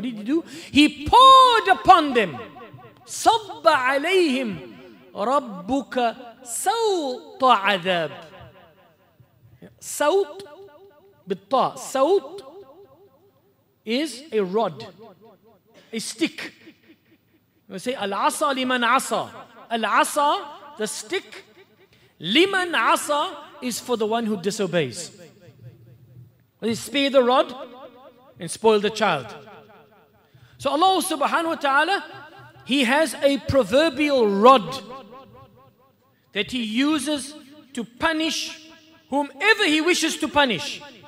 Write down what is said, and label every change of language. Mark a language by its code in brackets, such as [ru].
[en] What did he do? He poured upon them. [ar] صَبَّ عَلَيْهِمْ رَبُّكَ سَوْطَ عَذَابٍ. سَوْط بِالطَّاء. [en] سَوْط is a rod, a stick. You say, [ar] العصا لمن عصا. [en] العصا, the stick, [ar] لمن عصا [en] is for the one who disobeys. They spear the rod and spoil the child. So Allah subhanahu wa ta'ala, He has a proverbial rod that He uses to punish whomever He wishes to punish.